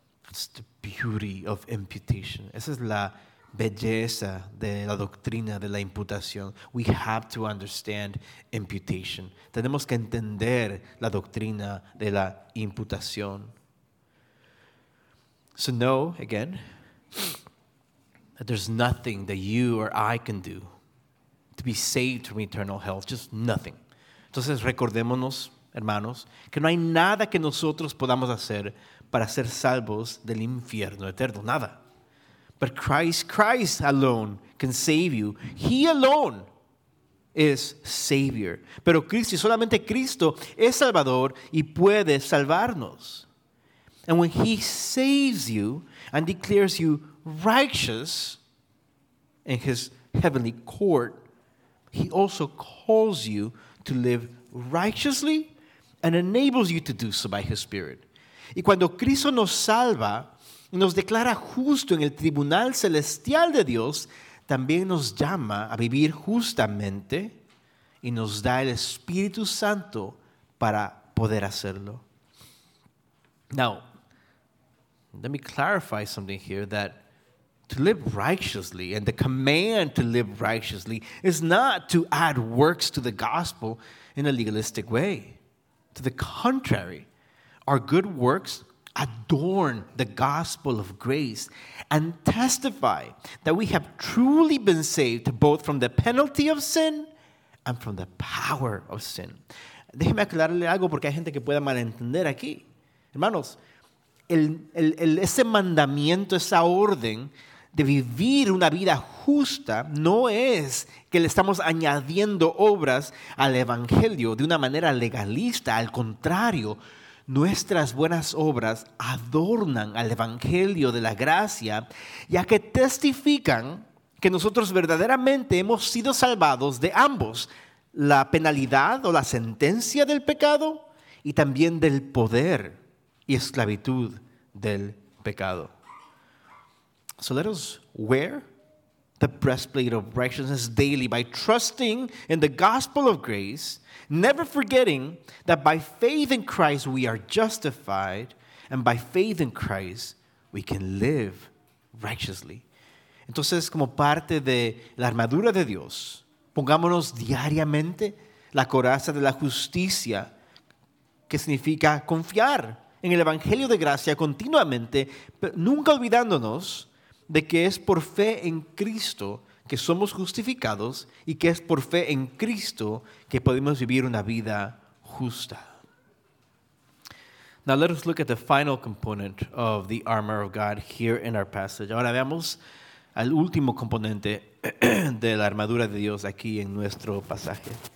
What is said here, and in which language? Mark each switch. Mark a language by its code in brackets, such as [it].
[en] It's the beauty of imputation. [es] Esa es la belleza de la doctrina de la imputación. [en] We have to understand imputation. [es] Tenemos que entender la doctrina de la imputación. [en] So know, again, that there's nothing that you or I can do to be saved from eternal hell. Just nothing. [es] Entonces, recordémonos, hermanos, que no hay nada que nosotros podamos hacer para ser salvos del infierno eterno. Nada. [en] But Christ alone can save you. He alone is Savior. [es] Pero Cristo, solamente Cristo, es Salvador y puede salvarnos. [en] And when he saves you and declares you righteous in his heavenly court, he also calls you to live righteously and enables you to do so by his Spirit. [es] Y cuando Cristo nos salva y nos declara justo en el tribunal celestial de Dios, también nos llama a vivir justamente y nos da el Espíritu Santo para poder hacerlo. [en] Now, let me clarify something here, that to live righteously and the command to live righteously is not to add works to the gospel in a legalistic way. To the contrary, our good works adorn the gospel of grace and testify that we have truly been saved both from the penalty of sin and from the power of sin. [es] Déjeme aclararle algo porque hay gente que pueda malentender aquí. Hermanos, ese mandamiento, esa orden de vivir una vida justa, no es que le estamos añadiendo obras al evangelio de una manera legalista. Al contrario, nuestras buenas obras adornan al evangelio de la gracia, ya que testifican que nosotros verdaderamente hemos sido salvados de ambos, la penalidad o la sentencia del pecado y también del poder y esclavitud del pecado. [en] So let us wear the breastplate of righteousness daily by trusting in the gospel of grace, never forgetting that by faith in Christ we are justified, and by faith in Christ we can live righteously. [es] Entonces, como parte de la armadura de Dios, pongámonos diariamente la coraza de la justicia, que significa confiar en el evangelio de gracia continuamente, pero nunca olvidándonos de que es por fe en Cristo que somos justificados y que es por fe en Cristo que podemos vivir una vida justa. [en] Now let us look at the final component of the armor of God here in our passage. [es] Ahora veamos al último componente de la armadura de Dios aquí en nuestro pasaje.